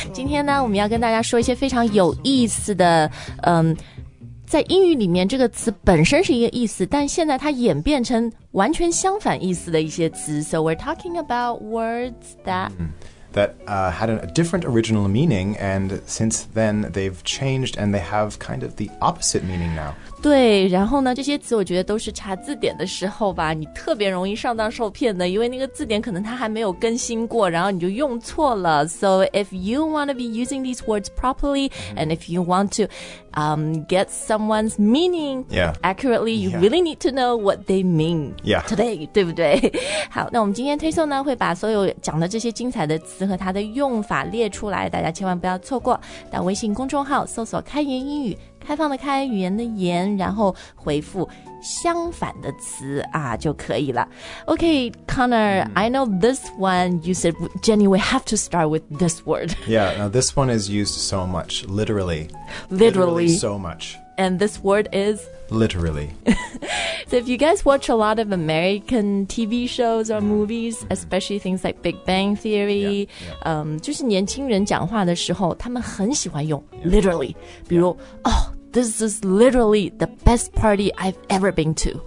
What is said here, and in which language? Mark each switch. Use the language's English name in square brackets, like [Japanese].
[Chinese] 今天呢，我们要跟大家说一些非常有意思的，在英语里面这个词本身是一个意思，但现在它演变成完全相反意思的一些词。 [English] So we're talking about words that... That had a different original meaning, and since then they've changed, and they have kind of the opposite meaning now. [Chinese] 对，然后呢，这些词我觉得都是查字典的时候吧，你特别容易上当受骗的，因为那个字典可能它还没有更新过，然后你就用错了。 [English] So if you want to be using these words properly, and if you want to, get someone's meaning accurately, you really need to know what they mean today, [Chinese] 对不对？好，那我们今天推送呢，会把所有讲的这些精彩的词和它的用法列出来，大家千万不要错过。到微信公众号搜索开言英语，开放的开，语言的言，然后回复相反的词啊就可以了。 [English] OK, Connor, I know this one. You said, Jenny, we have to start with this word. Yeah, now this one is used so much, literally. Literally. Literally so much. And this word is? Literally. So if you guys watch a lot of American TV shows or movies, especially things like Big Bang Theory, [Chinese] 就是年轻人讲话的时候他们很喜欢用 [English] literally, [Chinese] 比如 [English] oh, this is literally the best party I've ever been to.